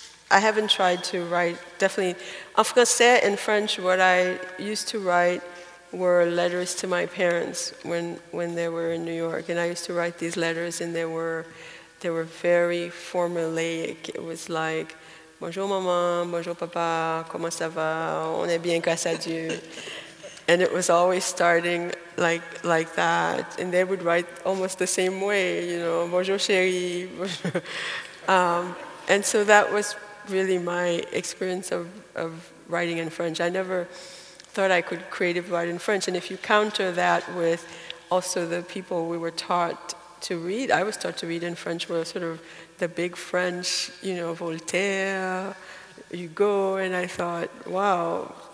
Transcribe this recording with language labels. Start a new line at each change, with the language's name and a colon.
English: I haven't tried to write, definitely.
French: En français
English: and French, what I used to write were letters to my parents when they were in New York. And I used to write these letters, and they were very formulaic. It was like,
French: bonjour maman, bonjour papa, comment ça va, on est bien grâce à Dieu.
English: And it was always starting like that. And they would write almost the same way, you know,
French: bonjour chérie.
English: And so that was really my experience of writing in French. I never thought I could creative write in French. And if you counter that with also the people we were taught to read, I was taught to read in French, were sort of the big French, you know, Voltaire, Hugo, and I thought, wow.